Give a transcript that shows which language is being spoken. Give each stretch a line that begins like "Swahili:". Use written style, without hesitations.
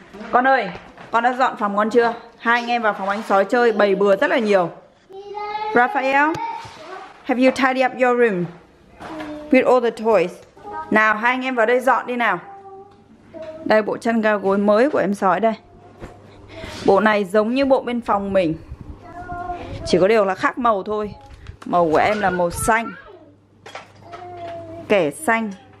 Vietnamese: Con ơi, con đã dọn phòng con chưa? Hai anh em vào phòng anh sói chơi bầy bừa rất là nhiều.
English: Raphael, have you tidied up your room with all the toys?
Vietnamese: Nào, hai anh em vào đây dọn đi nào. Đây, bộ chăn ga gối mới của em sói đây. Bộ này giống như bộ bên phòng mình, chỉ có điều là khác màu thôi. Màu của em là màu xanh, kẻ xanh.